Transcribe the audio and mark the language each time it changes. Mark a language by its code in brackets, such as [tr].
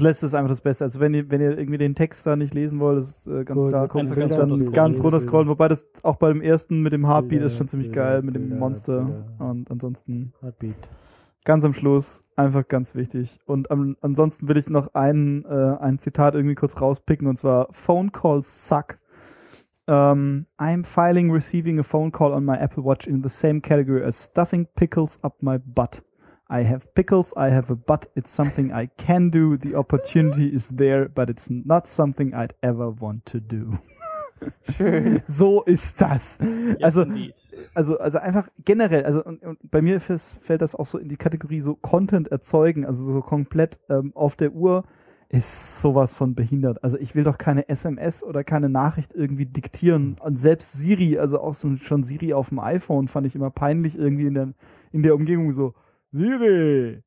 [de] letzte ist einfach das Beste. Also wenn ihr irgendwie den Text da nicht lesen wollt, ist ganz klar, ganz runter scrollen. Wobei das auch bei dem ersten mit dem Heartbeat ist schon ziemlich geil, mit dem Monster. Und ansonsten Heartbeat. Ganz am Schluss, einfach ganz wichtig. Und ansonsten will ich noch ein Zitat irgendwie kurz rauspicken, und zwar: Phone calls suck. [en] I'm filing receiving a phone call on my Apple Watch in the same category as stuffing pickles up my butt. I have pickles, I have a butt, it's something I can do, the opportunity is there, but it's not something I'd ever want to do. [de] Schön. So ist das. Yes, also einfach generell, also und bei mir fällt das auch so in die Kategorie so Content erzeugen, also so komplett auf der Uhr ist sowas von behindert. Also ich will doch keine SMS oder keine Nachricht irgendwie diktieren. Und selbst Siri, also auch so schon Siri auf dem iPhone, fand ich immer peinlich irgendwie in der Umgebung so, Siri!